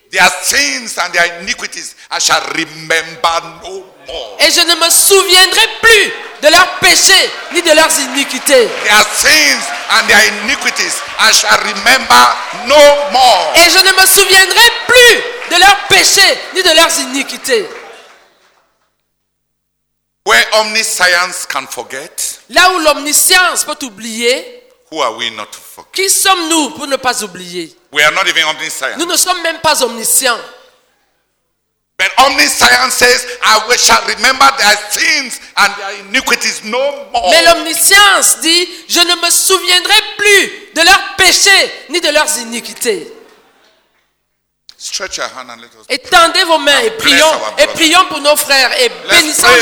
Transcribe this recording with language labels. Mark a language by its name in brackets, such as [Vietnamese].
[English] Their sins and their iniquities I shall remember no more. [French] Et je ne me souviendrai plus de leurs péchés ni de leurs iniquités. [English] Their sins and their iniquities I shall remember no more. [French] Et je ne me souviendrai plus de leurs péchés ni de leurs iniquités. [English] Where omniscience can forget? [French] Là où l'omniscience peut oublier. [English] Who are we not to forget? [French] Qui sommes-nous pour ne pas oublier? [English] We are not even omniscient. [French] Nous ne sommes même pas omniscients. [English] But omniscience says, I shall remember their sins and their iniquities no more. [French] Mais l'omniscience dit, je ne me souviendrai plus de leurs péchés ni de leurs iniquités. [English] Stretch your hand and let us pray. [French] Étendez vos mains et prions. Et prions pour nos frères et bénissons-les.